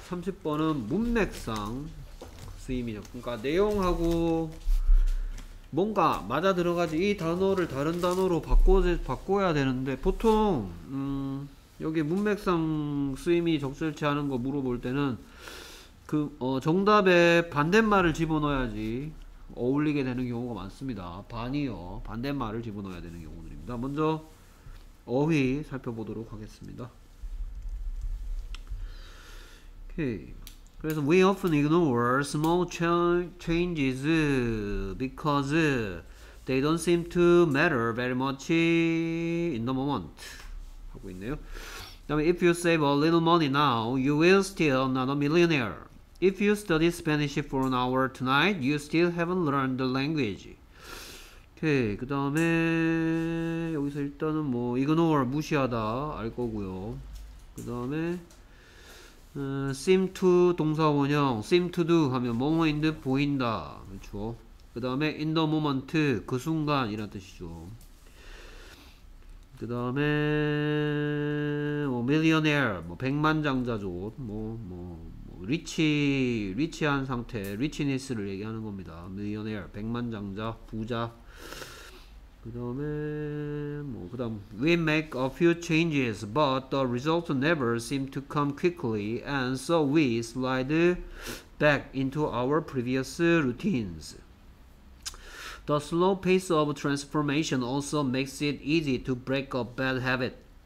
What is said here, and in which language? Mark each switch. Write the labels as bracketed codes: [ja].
[ko] 30번은 문맥상 쓰임이죠. 그러니까 내용하고 뭔가 맞아 들어가지, 이 단어를 다른 단어로 바꿔야 되는데, 보통, 여기 문맥상 쓰임이 적절치 않은 거 물어볼 때는, 정답에 반대말을 집어넣어야지 어울리게 되는 경우가 많습니다. 반이요. 반대말을 집어넣어야 되는 경우들입니다. 먼저, 어휘 살펴보도록 하겠습니다. 오케이. 그래서 [en] we often ignore small changes because they don't seem to matter very much in the moment. [ko] 하고 있네요. 그다음에 [en] if you save a little money now, you will still not a millionaire. If you study Spanish for an hour tonight, you still haven't learned the language. [ko] 오케이. 그다음에 여기서 일단은 뭐 ignore 무시하다 알 거고요. 그다음에 seem to 동사 원형 seem to do 하면 뭐뭐인 듯 보인다 그렇죠. 그 다음에 in the moment 그 순간 이란 뜻이죠. 그 다음에 뭐 millionaire 뭐 백만장자죠. 뭐 리치한 상태 리치니스를 얘기하는 겁니다. millionaire 백만장자 부자. 그 다음, [en] we make a few changes, but the results never seem to come quickly, and so we slide back into our previous routines. The slow pace of transformation also makes it easy to break a bad habit.